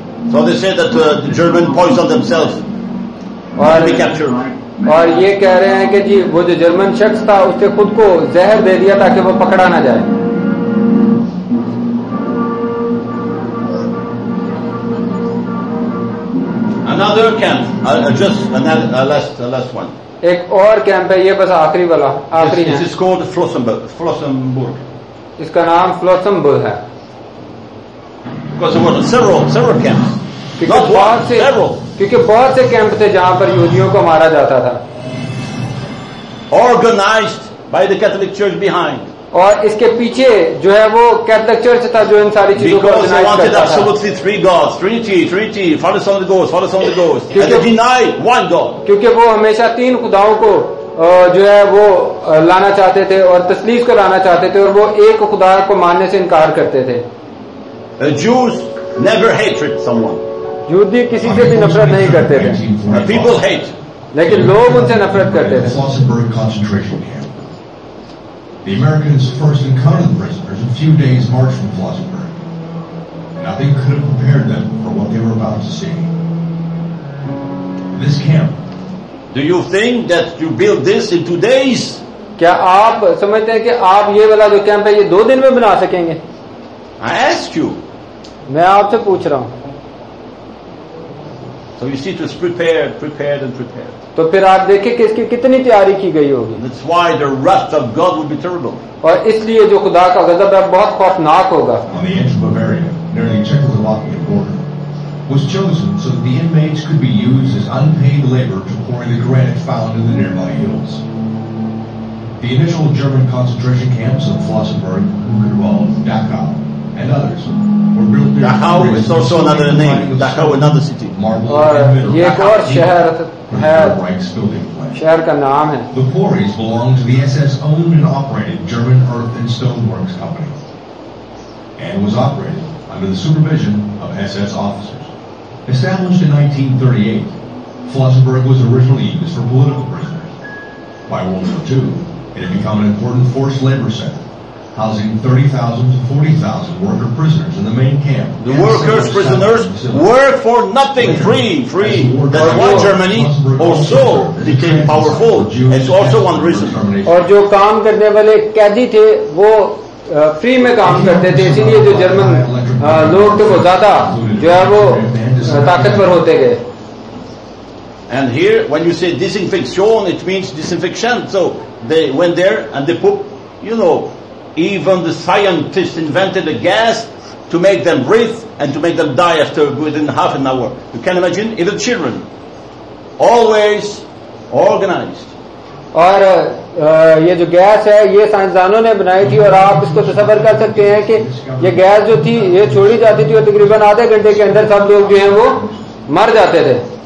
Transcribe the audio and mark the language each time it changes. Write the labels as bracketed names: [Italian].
[English] So they say that the German poisoned themselves. Or they captured. [Hindi] और ये कह रहे हैं कि जी वो जो जर्मन शख्स था उसने खुद को जहर दे दिया ताकि वो पकड़ा ना जाए. [English] Another camp. Just another last one. [Hindi] एक और कैंप है ये बस आखिरी वाला आखिरी है. [English] This is called Flossenburg. [Hindi] इसका नाम Flossenburg है. [English] Because there were several camps. [Hindi] क्योंकि बहुत से कैंप थे जहां पर यहूदियों को मारा जाता था. [English] Organized by the Catholic Church behind. [Hindi] और इसके पीछे जो है वो कैथोलिक चर्च था जो इन सारी चीजों को ऑर्गेनाइज करता था. [English] Because they wanted absolutely three gods, Trinity, Father, Son, and the Ghost. And they denied one God. [Hindi] क्योंकि वो हमेशा तीन खुदाओं को जो है वो लाना चाहते थे और तस्लीस को लाना चाहते थे और वो एक खुदा को मानने से इनकार करते थे. [English] A Jews never hatred someone. [Hindi] यहूदी किसी से भी नफरत नहीं करते थे. [English] People hate. [Hindi] लेकिन लोग उनसे नफरत करते थे. [English] The Americans first encountered the prisoners a few days' march from Flossenburg. Nothing could have prepared them for what they were about to see. This camp. Do you think that you build this in 2 days? [Hindi] क्या आप समझते हैं कि आप ये वाला जो camp है ये दो दिन में बना सकेंगे? [English] I ask you. [Hindi] मैं आपसे पूछ रहा हूँ. [English] So you see, it was prepared, prepared and prepared. [Hindi] तो फिर आप देखें कि इसकी कितनी तैयारी की गई होगी. [English] That's why the wrath of God will be terrible. [Hindi] और इसलिए जो खुदा का गजब है बहुत खौफनाक होगा. [English] On the edge of Bavaria, near the Czechoslovakian border, was chosen so that the inmates could be used as unpaid labor to quarry the granite found in the nearby hills. The initial German concentration camps of Flossenbürg, Buchenwald, Dachau, and others. Dachau is also another name. Dachau, another city. [Hindi] ये एक और शहर है. शहर का नाम है. [English] The quarries belong to the SS-owned and operated German Earth and Stoneworks Company, and was operated under the supervision of SS officers. Established in 1938, Flossenbürg was originally used for political prisoners. By World War II, it had become an important forced labor center, housing 30,000 to 40,000 worker prisoners in the main camp. The workers, prisoners, were for nothing, free, free. That's why Germany also became powerful. It's also one reason. [Hindi] और जो काम करने वाले कैदी थे, वो free में काम करते थे. इसीलिए जो जर्मन लोग थे, वो ज़्यादा जो है वो ताकतवर होते गए. [English] And here, when you say disinfection, it means disinfection. So they went there and they put, you know. Even the scientists invented a gas to make them breathe and to make them die after within half an hour. You can imagine, even children, always organized. [Hindi] और ये जो gas है, ये साइंसदानों ने बनाई थी, और आप इसको तस्वीर कर सकते हैं कि ये गैस जो थी, ये छोड़ी जाती थी और तकरीबन आधे घंटे के अंदर सब लोग जो हैं वो मर जाते थे.